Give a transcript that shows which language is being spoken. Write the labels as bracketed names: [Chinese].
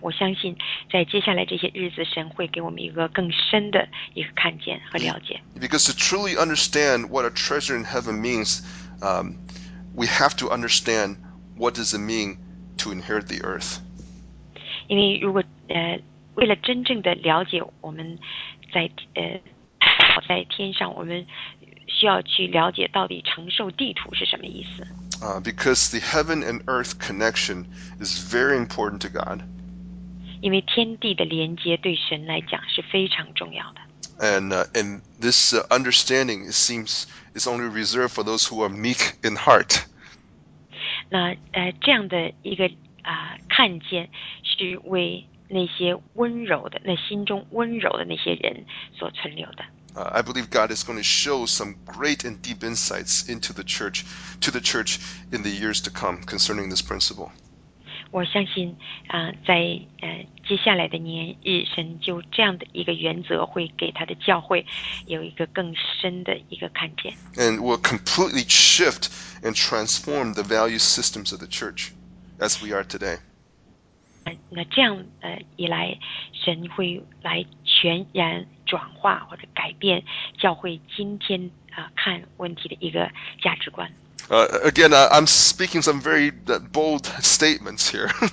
[Chinese] 我相信在接下来这些日子，神会给我们一个更深的一个看见和了解。 [English] Because to truly understand what a treasure in heaven means, we have to understand. What does it mean to inherit the earth? [Chinese] 因为如果为了真正的了解我们在在天上，我们需要去了解到底承受地土是什么意思。 [English] Because the heaven and earth connection is very important to God. [Chinese] 因为天地的连接对神来讲是非常重要的。 [English] And this understanding it seems is only reserved for those who are meek in heart. [Chinese] 那这样的一个看见是为那些温柔的，那心中温柔的那些人所存留的。 [English] I believe God is going to show some great and deep insights into the church, to the church in the years to come concerning this principle. [Chinese] 我相信在接下来的年日，神就这样的一个原则会给他的教会有一个更深的一个看见。 [English] And will completely shift. And transform the value systems of the church as we are today. [Chinese] 那这样一来，神会来全然转化或者改变教会今天看问题的一个价值观。 [English] Again, I'm speaking some very bold statements here.